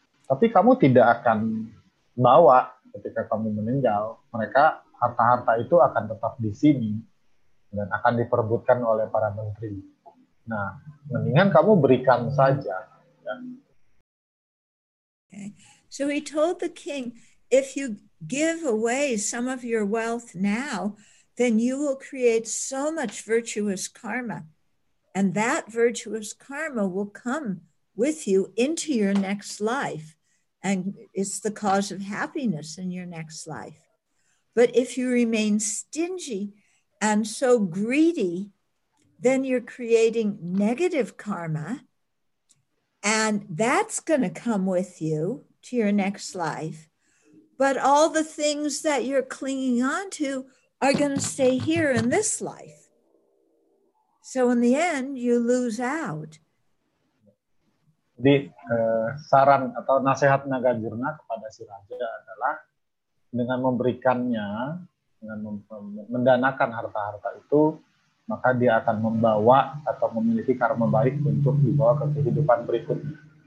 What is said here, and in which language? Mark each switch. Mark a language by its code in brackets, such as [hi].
[id] Tapi kamu tidak akan bawa ketika kamu meninggal. Mereka, harta-harta itu akan tetap di sini dan akan diperebutkan oleh para menteri. Nah, mendingan kamu berikan saja." Ya. [en] Okay. So he told the king, "If you give away some of your wealth now, then you will create so much virtuous karma. And that virtuous karma will come with you into your next life. And it's the cause of happiness in your next life. But if you remain stingy and so greedy, then you're creating negative karma. And that's going to come with you to your next life. But all the things that you're clinging on to are going to stay here in this life. So in the end, you lose out." [id] Jadi saran atau nasihat Nagarjuna kepada si raja adalah dengan memberikannya, dengan mendanakan harta-harta itu, maka dia akan membawa atau memiliki karma baik untuk dibawa ke kehidupan berikutnya.